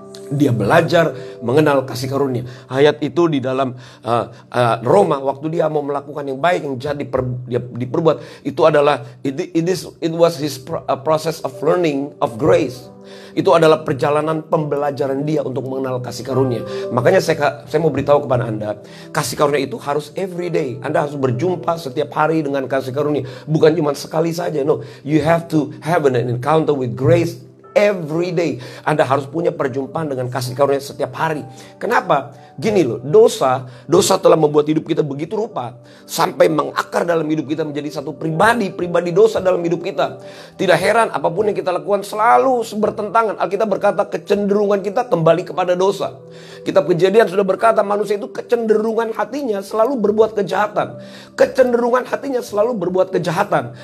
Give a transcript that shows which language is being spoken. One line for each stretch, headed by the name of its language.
Indonesian: Dia belajar mengenal kasih karunia. Ayat itu di dalam Roma, waktu dia mau melakukan yang baik, yang jahat diperbuat, itu adalah it was his process of learning of grace. Itu adalah perjalanan pembelajaran dia untuk mengenal kasih karunia. Makanya saya mau beritahu kepada Anda, kasih karunia itu harus every day. Anda harus berjumpa setiap hari dengan kasih karunia, bukan cuma sekali saja.
English: No, you have to have an encounter with grace every day.
Indonesian: Anda harus punya perjumpaan dengan kasih karunia setiap hari. Kenapa? Gini loh, dosa telah membuat hidup kita begitu rupa sampai mengakar dalam hidup kita menjadi satu pribadi dosa dalam hidup kita. Tidak heran apapun yang kita lakukan selalu bertentangan. Alkitab berkata kecenderungan kita kembali kepada dosa. Kitab Kejadian sudah berkata manusia itu kecenderungan hatinya selalu berbuat kejahatan.